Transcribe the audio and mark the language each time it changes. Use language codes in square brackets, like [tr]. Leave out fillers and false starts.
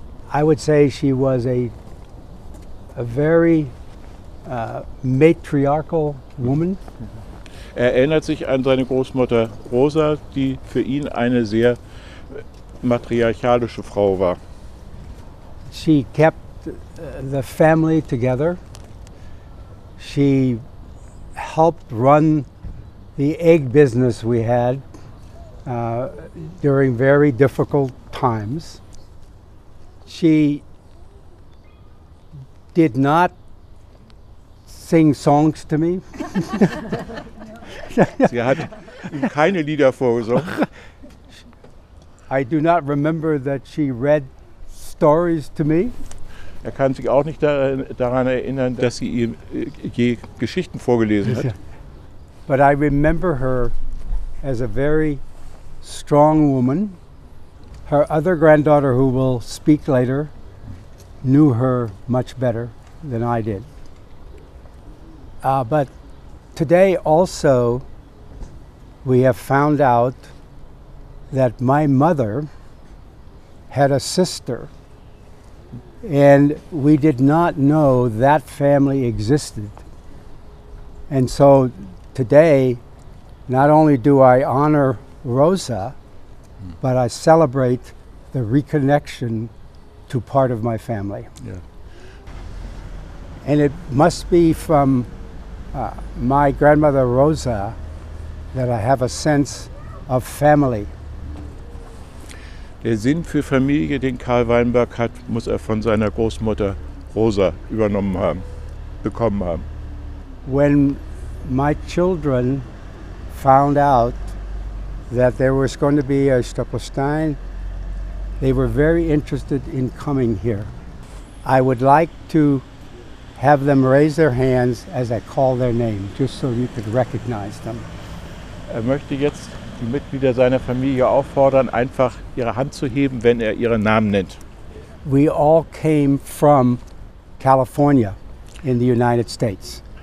[en] I would say she was a very matriarchal woman. [de] Er erinnert sich an seine Großmutter Rosa, die für ihn eine sehr matriarchalische Frau war. [en] She kept the family together. She helped run the egg business we had during very difficult times. She did not sing songs to me. [de] Sie hat ihm keine Lieder vorgesungen. [en] I do not remember that she read stories to me. [de] Er kann sich auch nicht daran erinnern, dass sie ihm je Geschichten vorgelesen hat. [en] But I remember her as a very strong woman. Her other granddaughter, who will speak later, knew her much better than I did. But today also, we have found out that my mother had a sister, and we did not know that family existed. And so today, not only do I honor Rosa, but I celebrate the reconnection to part of my family. Yeah. And it must be from my grandmother Rosa that I have a sense of family. [de] Der Sinn für Familie, den Karl Weinberg hat, muss er von seiner Großmutter Rosa übernommen haben, bekommen haben. [en] When my children found out that there was going to be a Stolperstein, they were very interested in coming here. I would like to have them raise their hands as I call their name, just so you could recognize them. [de] Er möchte jetzt die Mitglieder seiner Familie auffordern, einfach ihre Hand zu heben, wenn er ihren Namen nennt. [en] We all came from California in the United States.